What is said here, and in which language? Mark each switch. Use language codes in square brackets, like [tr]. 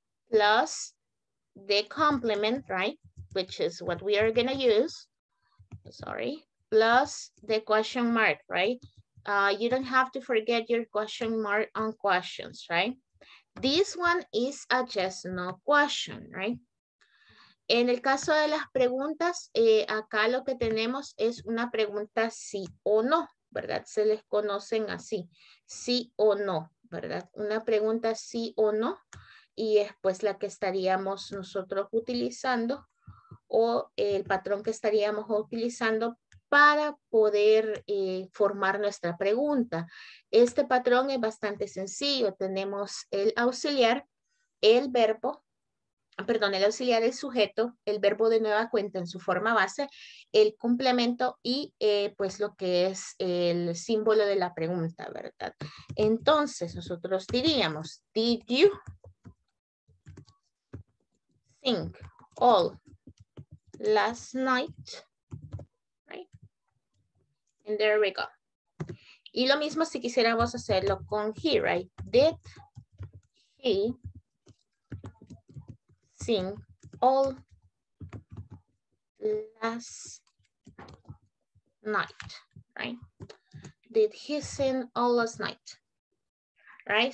[en] Plus the complement, right? Which is what we are gonna use, sorry. Plus the question mark, right? You don't have to forget your question mark on questions, right? This one is a yes, no question, right? [es] En el caso de las preguntas, acá lo que tenemos es una pregunta sí o no, ¿verdad? Se les conocen así, sí o no, ¿verdad? Una pregunta sí o no. Y es pues la que estaríamos nosotros utilizando o el patrón que estaríamos utilizando para poder formar nuestra pregunta. Este patrón es bastante sencillo. Tenemos el auxiliar, el verbo, perdón, el auxiliar, el sujeto, el verbo de nueva cuenta en su forma base, el complemento y pues lo que es el símbolo de la pregunta, ¿verdad? Entonces nosotros diríamos, [en] did you think all last night, right? And there we go. [es] Y lo mismo si quisiéramos hacerlo con he, [en] right? Did he think all last night, right? Did he think all last night, right?